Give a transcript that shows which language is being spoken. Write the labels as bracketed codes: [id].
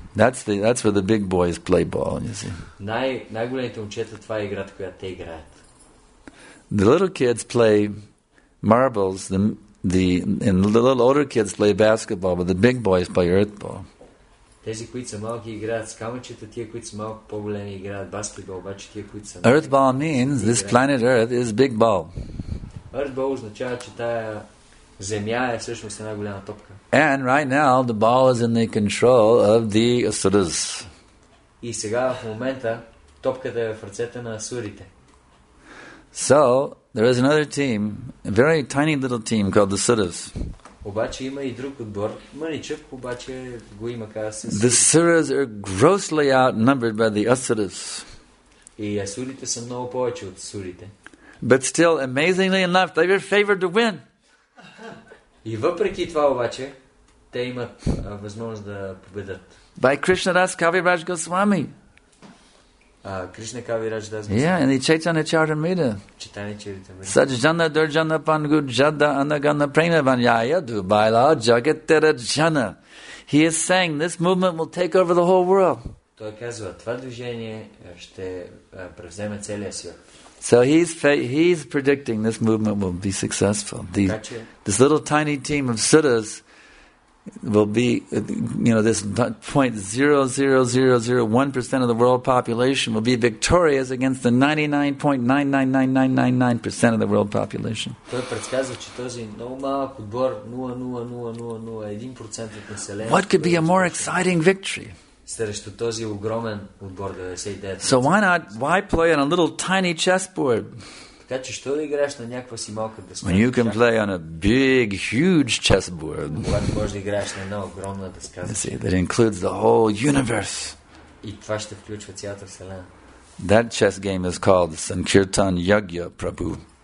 [en] That's where the big boys play ball, you see. [bg] Най-големите момчета, това е играта, която те играят. [en] the little kids play marbles, and the little older kids play basketball, but the big boys play earth ball. [bg] Тези които са малки играят с камъчета, тия които са малко по-големи играят баскетбол, обаче тия които са. [en] Earth ball means this planet Earth is big ball. [bg] Earth ball означава, че тая земя е всъщност една голяма топка. [en] And right now the ball is in the control of the asuras. [bg] И сега в момента топката е в ръцете на асурите. [en] So there is another team, a very tiny little team called the Suras. [bg] Обаче има и друг отбор, маличък, обаче го има каза. [en] The Suras are grossly outnumbered by the Asuras. [bg] И асурите са много повече от асурите. [en] But still, amazingly enough, they are favored to win. [bg] И въпреки това обаче, те имат възможност да победят. [en] By Krishna Das Kaviraj Goswami. Krishna Kaviraj Das Goswami. Yeah, and the Chaitanya Charitamrita. Chaitanya Charitamrita. [sa] Sajjana Durjana Pangu Jada Anagana Prena Vanyaya Dubaila Jagat Terajana. [en] He is saying this movement will take over the whole world. [bg] Той казва, това движение ще превземе целия свят. [en] So he's predicting this movement will be successful. This little tiny team of suttas will be, you know, this 0.00001% of the world population will be victorious against the 99.999999% of the world population. [bg] Той предсказва, че този много малък отбор 0.00001% от населението. [en] What could be a more exciting victory? [bg] Срещу този огромен отбор 99. [en] So why play on a little tiny chessboard? [bg] Така че що да играеш на някаква си малка дъска? [en] When you can play on a big, huge chessboard. [bg] Когато можеш да играеш на една огромна дъска. [en] You see, that includes the whole universe. [bg] И това ще включва цялата вселена. [en] That chess game is called Sankirtan Yagya Prabhu.